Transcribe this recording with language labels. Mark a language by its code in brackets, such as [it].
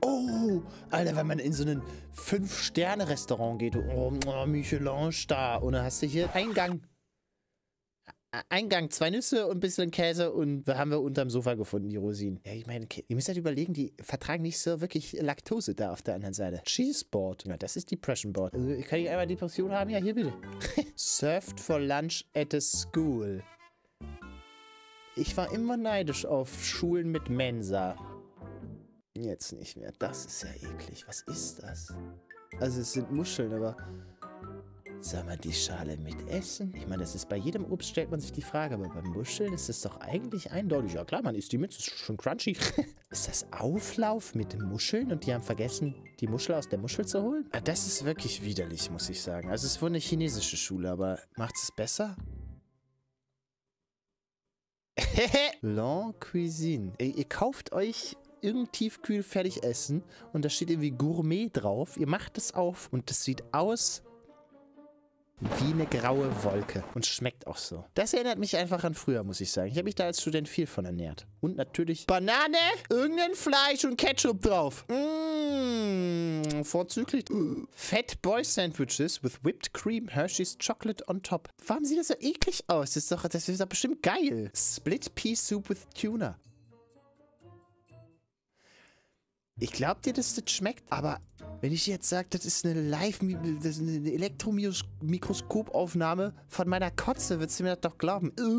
[de] Oh, Alter, wenn man in so ein 5-Sterne-Restaurant geht, oh, Michelin-Star, und dann hast du hier Eingang. Eingang, 2 Nüsse und ein bisschen Käse und haben wir unterm Sofa gefunden, die Rosinen. Ja, ich meine, ihr müsst halt überlegen, die vertragen nicht so wirklich Laktose da auf der anderen Seite. Cheeseboard. Ja, das ist Depression Board. Also, kann ich einmal Depression haben? Ja, hier bitte. [en] Served for lunch at a school. [de] Ich war immer neidisch auf Schulen mit Mensa. Jetzt nicht mehr. Das ist ja eklig. Was ist das? Also, es sind Muscheln, aber... Soll man die Schale mit essen? Ich meine, das ist bei jedem Obst, stellt man sich die Frage, aber beim Muscheln ist es doch eigentlich eindeutig. Ja klar, man isst die mit, das ist schon crunchy. Ist das Auflauf mit den Muscheln und die haben vergessen, die Muschel aus der Muschel zu holen? Das ist wirklich widerlich, muss ich sagen. Also es ist wohl eine chinesische Schule, aber macht es besser? Long Cuisine. Ihr kauft euch... irgendein Tiefkühl fertig essen und da steht irgendwie Gourmet drauf. Ihr macht es auf und das sieht aus wie eine graue Wolke und schmeckt auch so. Das erinnert mich einfach an früher, muss ich sagen. Ich habe mich da als Student viel von ernährt. Und natürlich Banane, irgendein Fleisch und Ketchup drauf. Mmh, vorzüglich. [en] Fat Boy Sandwiches with whipped cream, Hershey's Chocolate on top. [de] Warum sieht das so eklig aus? Das ist doch bestimmt geil. [en] Split Pea Soup with Tuna. [de] Ich glaub dir, dass das schmeckt, aber wenn ich jetzt sage, das ist eine Elektromikroskopaufnahme von meiner Kotze, würdest du mir das doch glauben?